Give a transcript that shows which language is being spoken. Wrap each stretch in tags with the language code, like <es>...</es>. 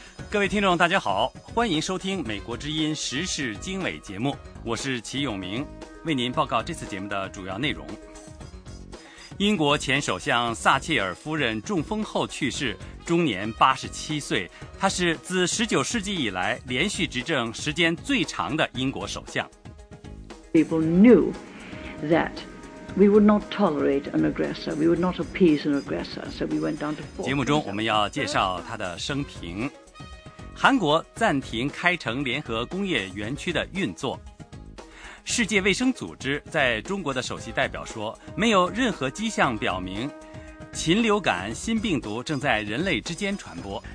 <zh>各位听众大家好，欢迎收听美国之音时事经纬节目，我是齐永明，为您报告这次节目的主要内容。英国前首相撒切尔夫人中风后去世，终年87岁，她是自19世纪以来连续执政时间最长的英国首相。</zh> <en>People knew that we would not tolerate an aggressor, we would not appease an aggressor, so we went down to four.</en> <zh>节目中我们要介绍她的生平。韩国暂停开城联合工业园区的运作。世界卫生组织在中国的首席代表说，没有任何迹象表明禽流感新病毒正在人类之间传播。</zh>